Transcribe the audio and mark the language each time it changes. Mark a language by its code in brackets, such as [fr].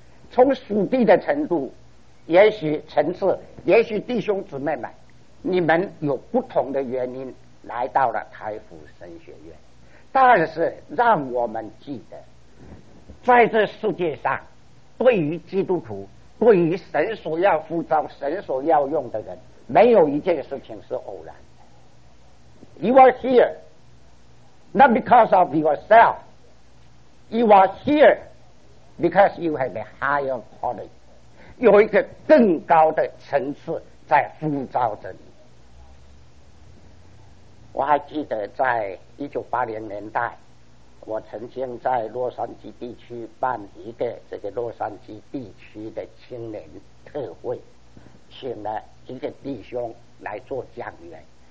[zh] 从属地的程度，也许层次，也许弟兄姊妹们，你们有不同的原因来到了台福神学院，但是让我们记得，在这世界上，对于基督徒，对于神所要呼召、神所要用的人，没有一件事情是偶然的。 [en] You are here, not because of yourself. You are here because you have a higher calling. [zh] 有一个更高的层次在呼召着你。我还记得在1980年代，我曾经在洛杉矶地区办一个这个洛杉矶地区的青年特会，请了一个弟兄来做讲员。